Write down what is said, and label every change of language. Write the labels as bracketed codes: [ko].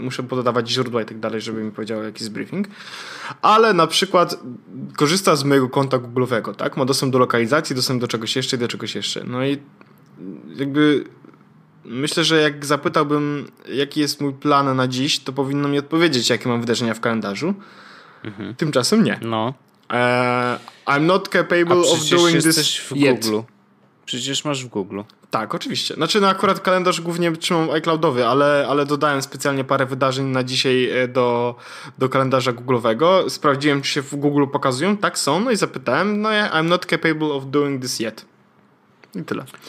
[pl] Muszę pododawać źródła i tak dalej, żeby mi powiedziała, jaki jest briefing. Ale na przykład korzysta z mojego konta google'owego, tak? Ma dostęp do lokalizacji, dostęp do czegoś jeszcze i do czegoś jeszcze. No i jakby myślę, że jak zapytałbym, jaki jest mój plan na dziś, to powinno mi odpowiedzieć, jakie mam wydarzenia w kalendarzu. Mhm. Tymczasem nie. No. [en] I'm not capable of doing this yet. [pl] W Google. Przecież masz w Google. Tak, oczywiście. Znaczy, no akurat kalendarz głównie trzymam iCloudowy, ale dodałem specjalnie parę wydarzeń na dzisiaj do kalendarza Google'owego. Sprawdziłem, czy się w Google pokazują. Tak są. No i zapytałem, no [en] yeah, I'm not capable of doing this yet. [pl] I tyle.